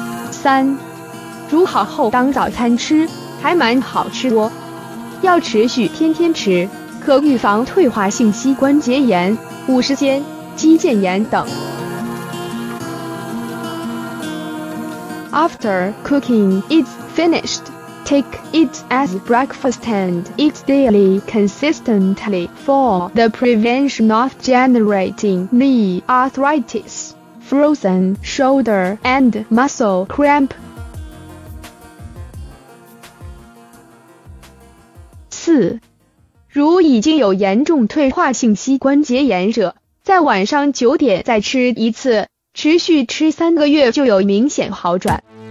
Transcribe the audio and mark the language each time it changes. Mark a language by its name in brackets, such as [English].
[Chinese] 三，煮好后当早餐吃，还蛮好吃哦，要持续天天吃，可预防退化性膝关节炎、五十肩、肌腱炎等。 [English] After cooking it's finished, take it as breakfast and eat daily consistently for the prevention of generating knee arthritis, frozen shoulder and muscle cramp。 [Chinese] 四，如已经有严重退化性膝关节炎者，在晚上9点再吃一次，持续吃3个月就有明显好转。